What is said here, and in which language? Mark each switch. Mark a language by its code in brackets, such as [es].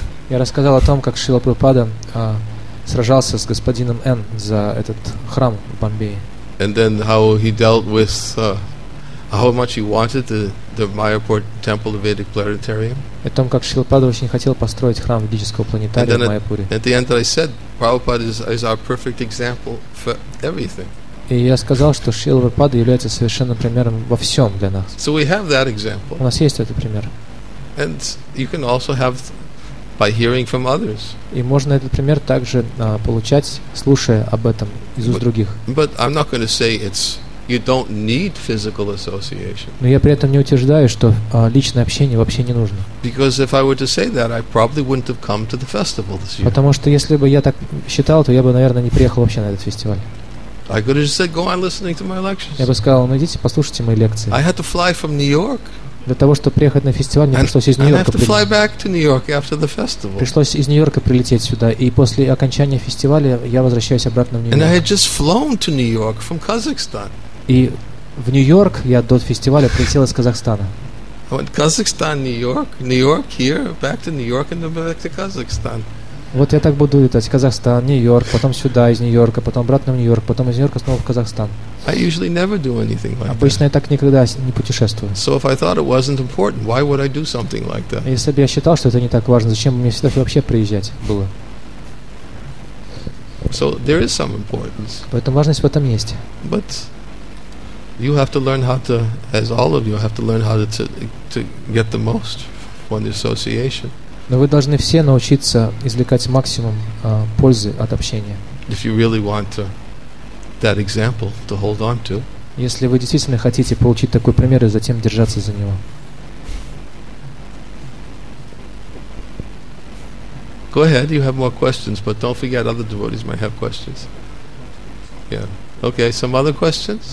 [ru] Я рассказал о том, как Шрила Прабхупада сражался с господином Н за этот храм в Бомбее. [en] And then how he dealt with how much he wanted the Mayapur Temple, the Vedic Planetarium. [ru] О том, как Шрила Прабхупада очень хотел построить храм ведического планетария в Майяпуре. [en] At the end I said, Prabhupada is our perfect example for everything. [ru] И я сказал, что Шрила Прабхупада является совершенным примером во всем для нас. [en] So we have that example. [ru] У нас есть этот пример. [en] And you can also have by hearing from others. [ru] И можно этот пример также получать, слушая об этом из уст других. [en] But I'm not going to say it's you don't need physical association. [ru] Но я при этом не утверждаю, что личное общение вообще не нужно. [en] Because if I were to say that, I probably wouldn't have come to the festival this year. [ru] Потому что если бы я так считал, то я бы, наверное, не приехал вообще на этот фестиваль. [en] I could have just said, "Go on listening to my lectures." [ru] Я бы сказал: "Ну идите, послушайте мои лекции." [en] I had to fly from New York. [ru] Для того, чтобы приехать на фестиваль, мне пришлось из Нью-Йорка. [en] I have to fly back to New York after the festival. [ru] Пришлось из Нью-Йорка прилететь сюда, и после окончания фестиваля я возвращаюсь обратно в Нью-Йорк. [en] And I had just flown to New York from Kazakhstan. [ru] И в Нью-Йорк я до фестиваля прилетел из Казахстана. [en] Казахстан, Нью-Йорк, Нью-Йорк, here, back to New York, and then back to Kazakhstan. [ru] Вот я так буду летать: Казахстан, Нью-Йорк, потом сюда из Нью-Йорка, потом обратно в Нью-Йорк, потом из Нью-Йорка снова в Казахстан. [en] I usually never do anything like that. [ru] Обычно я так никогда не путешествую. [en] So if I thought it wasn't important, why would I do something like that? [ru] Если бы я считал, что это не так важно, зачем мне сюда вообще приезжать было? [en] So there is some importance. [ru] Поэтому важность в этом есть. [en] But you have to learn how to, as all of you, have to learn how to get the most from the association. [ru] Но вы должны все научиться извлекать максимум пользы от общения. [en] If you really want to, that example to hold on to. [ru] Если вы действительно хотите получить такой пример и затем держаться за него. [en] Go ahead, you have more questions, but don't forget other devotees might have questions. Yeah. Okay, some other questions?